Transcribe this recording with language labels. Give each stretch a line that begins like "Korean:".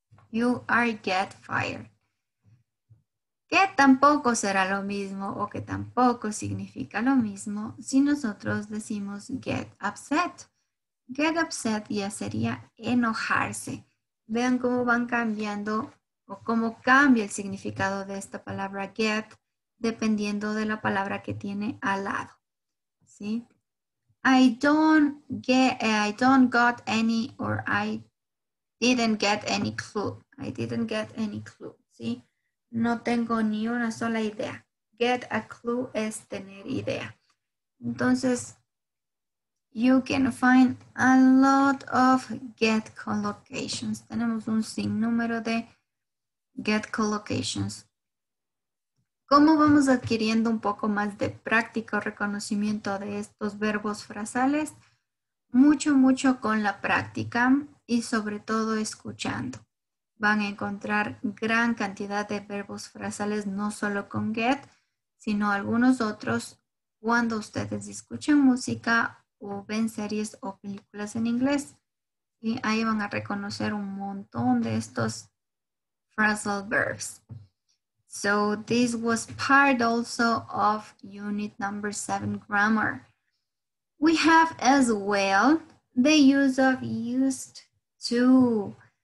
English: You are get fired.
Spanish: Que tampoco será lo mismo o que tampoco significa lo mismo si nosotros decimos get upset. Get upset ya sería enojarse. Vean cómo van cambiando o cómo cambia el significado de esta palabra get dependiendo de la palabra que tiene al lado, ¿sí?
English: I don't got any, or I didn't get any clue. I didn't get any clue,
Spanish: ¿sí? No tengo ni una sola idea.
English: Get a clue
Spanish: es tener idea. Entonces,
English: you can find a lot of get collocations.
Spanish: Tenemos un sinnúmero de get collocations. ¿Cómo vamos adquiriendo un poco más de práctica o reconocimiento de estos verbos frasales? Mucho, mucho con la práctica y sobre todo escuchando. Van a encontrar gran cantidad de verbos frasales, no solo con get, sino algunos otros cuando ustedes escuchan música o ven series o películas en inglés. Y ahí van a reconocer un montón de estos phrasal verbs.
English: So this was part also of unit number 7 grammar. We have as well the use of used to.